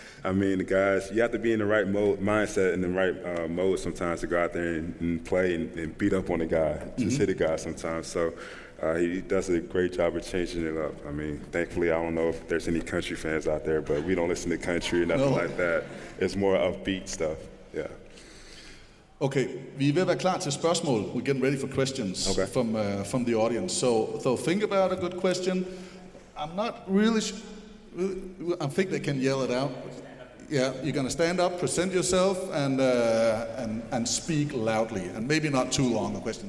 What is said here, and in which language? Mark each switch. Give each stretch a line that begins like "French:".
English: I mean, guys, you have to be in the right mindset and the right mode sometimes to go out there and play and beat up on a guy, just hit a guy sometimes. So he does a great job of changing it up. I mean, thankfully, I don't know if there's any country fans out there, but we don't listen to country or nothing like that. It's more upbeat stuff. Yeah.
Danish: Okay, vi er ved at være klar til spørgsmål.
English: We're getting ready for questions from the audience. So think about a good question. I'm not really sure. I think they can yell it out. Yeah, you're gonna stand up, present yourself, and speak loudly, and maybe not too long a question.